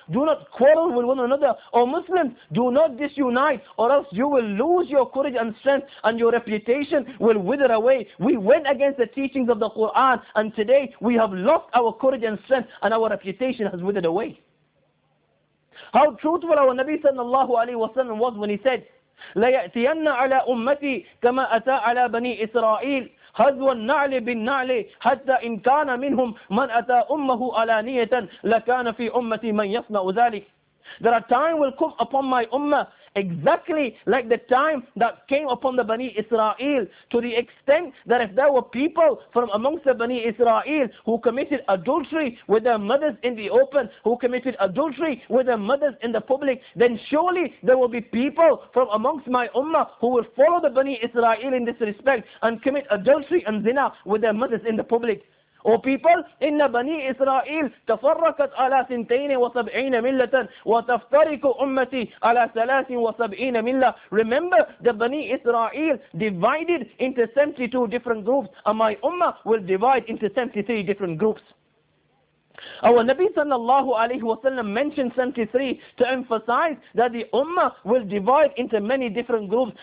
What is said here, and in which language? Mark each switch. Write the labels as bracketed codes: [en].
[en] Do not quarrel with one another. O Muslims, do not disunite, or else you will lose your courage and strength, and your reputation will wither away. We went against the teachings of the Quran, and today we have lost our courage and strength, and our reputation has withered away. How truthful our Nabi sallallahu alayhi wasallam was when he said, [ar] لَيَأْتِيَنَّ عَلَىٰ أُمَّتِي كَمَا أَتَىٰ عَلَىٰ بَنِي إِسْرَائِيلِ هَذْوَ النَّعْلِ بِالنَّعْلِ حَتَّى إِنْ كَانَ مِنْهُمْ مَنْ أَتَىٰ أُمَّهُ أَلَانِيَةً لَكَانَ فِي أُمَّتِي مَنْ يَصْنَعُ ذَلِكَ. [en] That a time will come upon my ummah exactly like the time that came upon the Bani Israel, to the extent that if there were people from amongst the Bani Israel who committed adultery with their mothers in the open, who committed adultery with their mothers in the public, then surely there will be people from amongst my ummah who will follow the Bani Israel in this respect and commit adultery and zina with their mothers in the public. O people, [ar] إن بني إسرائيل تفرقت على 72 ملة وتفترق أمتي على 73 ملة. [en] Remember, the Bani Israel divided into 72 different groups, and my ummah will divide into 73 different groups. Our Nabi sallallahu alayhi wa sallam mentioned 73 to emphasize that the ummah will divide into many different groups.